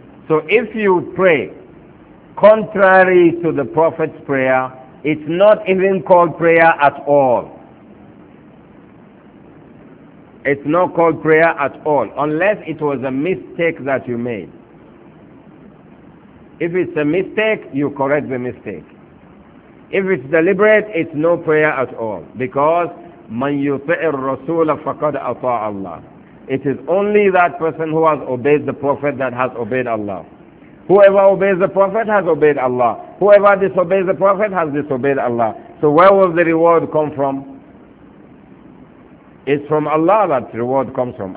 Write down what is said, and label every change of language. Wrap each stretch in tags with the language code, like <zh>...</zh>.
<en>So if you pray contrary to the Prophet's prayer, it's not even called prayer at all. It's not called prayer at all, unless it was a mistake that you made. If it's a mistake, you correct the mistake. If it's deliberate, it's no prayer at all. Because</en> <ar>مَنْ يُطِعِ الرَّسُولَ فَقَدْ أَطَاعَ اللَّهِ.</ar> <en>It is only that person who has obeyed the Prophet that has obeyed Allah. Whoever obeys the Prophet has obeyed Allah. Whoever disobeys the Prophet has disobeyed Allah. So where will the reward come from? It's from Allah that reward comes from.</en>